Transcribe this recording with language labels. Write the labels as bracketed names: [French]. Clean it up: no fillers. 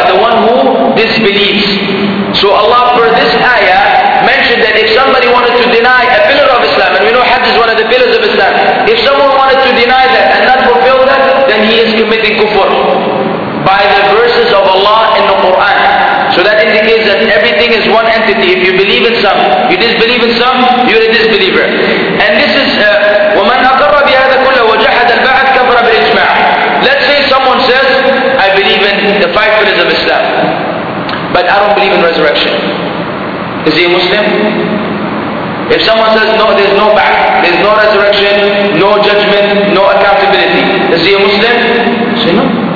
[English] The one who disbelieves. So Allah, for this ayah, mentioned that if somebody wanted to deny a pillar of Islam, and we know Hajj is one of the pillars of Islam, if someone wanted to deny that and not fulfill that, then he is committing kufr by the verses of Allah in the Quran. So that indicates that everything is one entity. If you believe in some, you disbelieve in some, you're a disbeliever. And this is [Arabic] وَمَنْ أَقَرَّ بِهَذَا كُلَّهُ وَجَحَدَ الْبَعَثَ كَفَرَ بِالْإِجْمَاعِ. [English] Let's say someone says, I believe in the five pillars of Islam, but I don't believe in resurrection. Is he a Muslim? If someone says, no, there's no back, there's no resurrection, no judgment, no accountability, is he a Muslim? Say no.